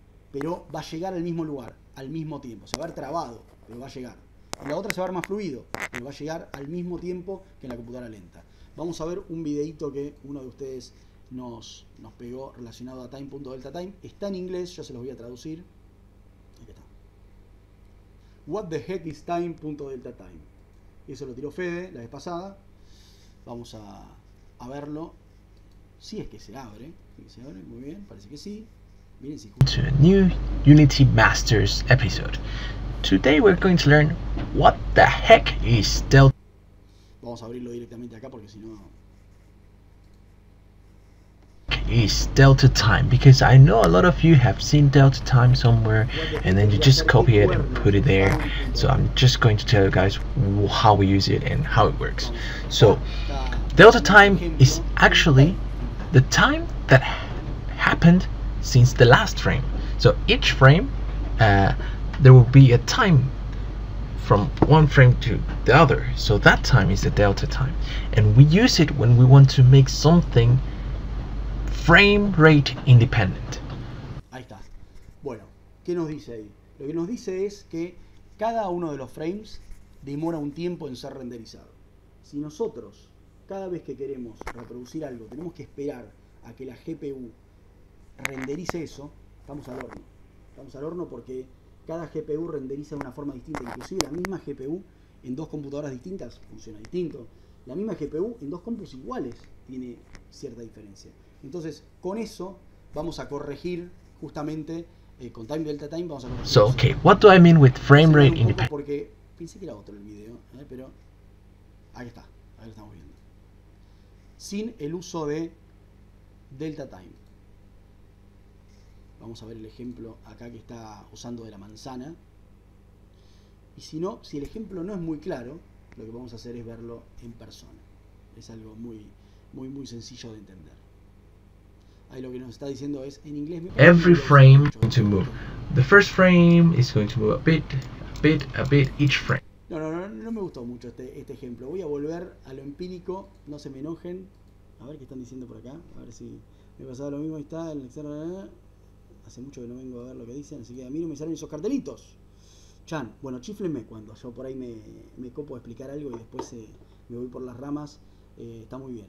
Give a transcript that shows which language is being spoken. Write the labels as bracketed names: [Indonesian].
[Spanish] Pero va a llegar al mismo lugar, al mismo tiempo. Se va a ver trabado, pero va a llegar. En la otra se va a ver más fluido, pero va a llegar al mismo tiempo que en la computadora lenta. Vamos a ver un videito que uno de ustedes nos pegó relacionado a time.deltaTime. Está en inglés, yo se los voy a traducir. Aquí está. [English] What the heck is time.deltaTime? [Spanish] Eso lo tiró Fede la vez pasada. Vamos a verlo. Sí, es que se abre. Sí, se abre, muy bien, parece que sí. Miren si... [English] To a new Unity Masters episode. Today we're going to learn what the heck is Delta. [Spanish] Vamos a abrirlo directamente acá porque si no... [English] Is Delta Time, because I know a lot of you have seen Delta Time somewhere and then you just copy it and put it there. So I'm just going to tell you guys how we use it and how it works. So Delta Time is actually the time that happened since the last frame. So each frame there will be a time from one frame to the other, so that time is the Delta Time, and we use it when we want to make something frame rate independent. [Spanish] Ahí está. Bueno, ¿qué nos dice ahí? Lo que nos dice es que cada uno de los frames demora un tiempo en ser renderizado. Si nosotros, cada vez que queremos reproducir algo, tenemos que esperar a que la GPU renderice eso, estamos al horno. Estamos al horno porque cada GPU renderiza de una forma distinta. Inclusive la misma GPU en dos computadoras distintas funciona distinto. La misma GPU en dos compus iguales tiene cierta diferencia. Entonces, con eso vamos a corregir justamente con time delta time vamos a corregir. [English] So, okay, what do I mean with frame rate independent? [Spanish] Porque pensé que era otro el video, pero ahí está, ahí lo estamos viendo. Sin el uso de delta time. Vamos a ver el ejemplo acá que está usando de la manzana. Y si no, si el ejemplo no es muy claro, lo que vamos a hacer es verlo en persona. Es algo muy muy muy sencillo de entender. Ahí lo que nos está diciendo es en inglés. [English] Every frame is going to move. The first frame is going to move a bit each frame. [Spanish] No me gustó mucho este ejemplo. Voy a volver a lo empírico. No se me enojen. A ver qué están diciendo por acá. A ver si me pasaba lo mismo. Ahí está el externo. Hace mucho que no vengo a ver lo que dicen. Así que a mí no me salen esos cartelitos. Chan, bueno, chíflenme cuando yo por ahí me copo a explicar algo y después me voy por las ramas. Está muy bien.